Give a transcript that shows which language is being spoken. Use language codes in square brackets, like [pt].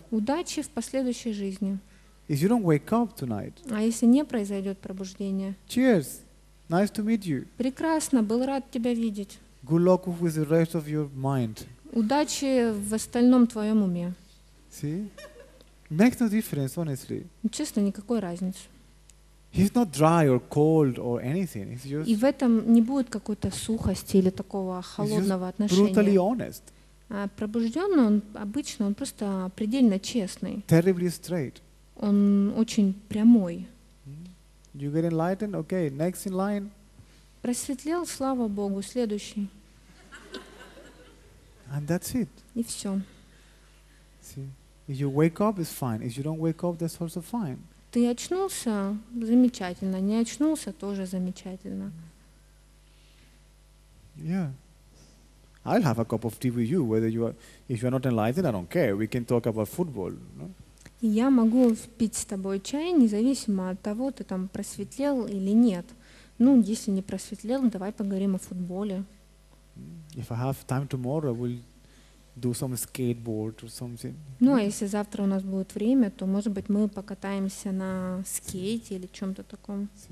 [ru] Удачи в последующей жизни. [en] If you don't wake up tonight, [ru] а если не произойдет пробуждение, [en] cheers, nice to meet you, [ru] прекрасно, был рад тебя видеть. [en] Good luck with the rest of your mind. [ru] Удачи в остальном твоем уме. [en] See? Makes no difference, honestly. [ru] Честно, никакой разницы. [en] He's not dry or cold or anything. He's just. [ru] И в этом не будет какой-то сухости или такого холодного отношения. [en] Brutally honest. [ru] Пробужденный, он обычно, он просто предельно честный. [en] Terribly straight. [ru] Он очень прямой. [en] You get enlightened? Okay, next in line. [ru] Просветлел, слава Богу, следующий. [en] And that's it. [ru] И все. [en] See, if you wake up, it's fine. If you don't wake up, that's also fine. [ru] Ты очнулся, замечательно. Не очнулся, тоже замечательно. [en] Yeah, I'll have a cup of tea with you. Whether you are, if you are not enlightened, I don't care. We can talk about football. No? [ru] Я могу пить с тобой чай, независимо от того, ты там просветлел или нет. Ну, если не просветлел, давай поговорим о футболе. [en] If I have time tomorrow, we'll do some skateboard or something. [ru] Ну, а если завтра у нас будет время, то, может быть, мы покатаемся на скейте или чем-то таком.